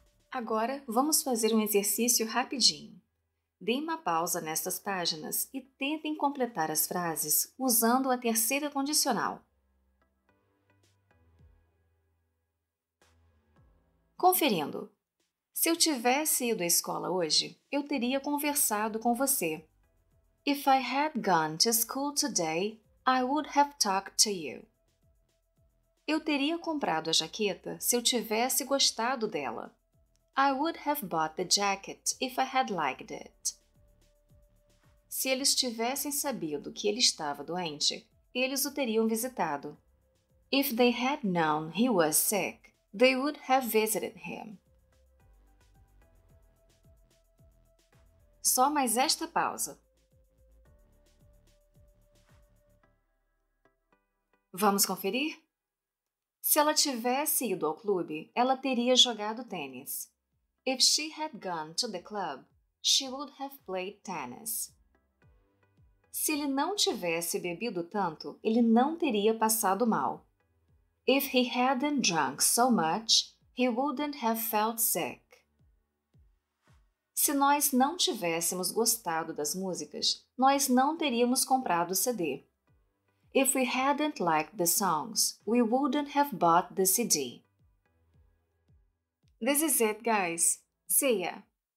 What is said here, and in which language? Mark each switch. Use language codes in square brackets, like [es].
[pt] Agora, vamos fazer um exercício rapidinho. Deem uma pausa nestas páginas e tentem completar as frases usando a terceira condicional. Conferindo. Se eu tivesse ido à escola hoje, eu teria conversado com você. [en] If I had gone to school today, I would have talked to you. [pt] Eu teria comprado a jaqueta se eu tivesse gostado dela. [en] I would have bought the jacket if I had liked it. [pt] Se eles tivessem sabido que ele estava doente, eles o teriam visitado. [en] If they had known he was sick, they would have visited him. [pt] Só mais esta pausa. Vamos conferir? Se ela tivesse ido ao clube, ela teria jogado tênis. [en] If she had gone to the club, she would have played tennis. [pt] Se ele não tivesse bebido tanto, ele não teria passado mal. [en] If he hadn't drunk so much, he wouldn't have felt sick. [pt] Se nós não tivéssemos gostado das músicas, nós não teríamos comprado o CD. [en] If we hadn't liked the songs, we wouldn't have bought the CD. This is it, guys. See ya!